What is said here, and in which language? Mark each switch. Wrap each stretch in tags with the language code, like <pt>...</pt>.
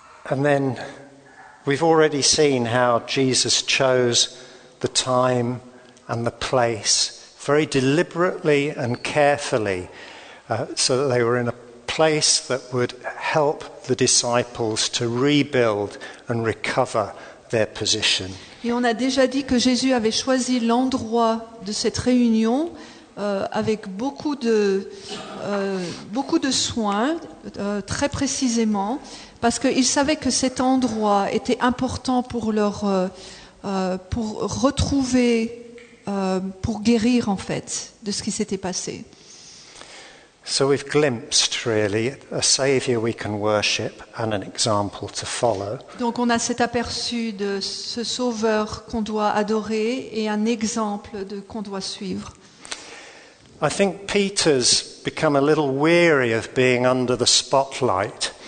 <en>And then we've already seen how Jesus chose the time and the place very deliberately and carefully, so that they were in a place that would help the disciples to rebuild and recover their position.</en> <fr>Et on a déjà dit que Jésus avait choisi l'endroit de cette réunion avec beaucoup de soins, très précisément, parce qu'il savait que cet endroit était important pour leur pour retrouver, pour guérir en fait de ce qui s'était passé.</fr> <en>So we've glimpsed really a savior we can worship and an example to follow.</en> <fr>Donc on a cet aperçu de ce sauveur qu'on doit adorer et un exemple de qu'on doit suivre.</fr> <en>I think Peter's become a little weary of being under the spotlight.</en>